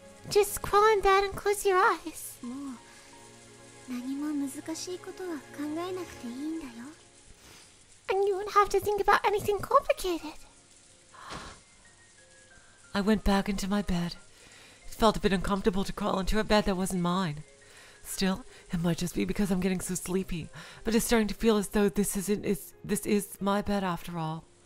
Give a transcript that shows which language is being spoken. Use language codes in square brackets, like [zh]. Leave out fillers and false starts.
[en] Just crawl in bed and close your eyes. [ja] もう何も難しいことは考えなくていいんだよ. [en] And you won't have to think about anything complicated. I went back into my bed. It felt a bit uncomfortable to crawl into a bed that wasn't mine. Still, it might just be because I'm getting so sleepy, but it's starting to feel as though this is my bed after all.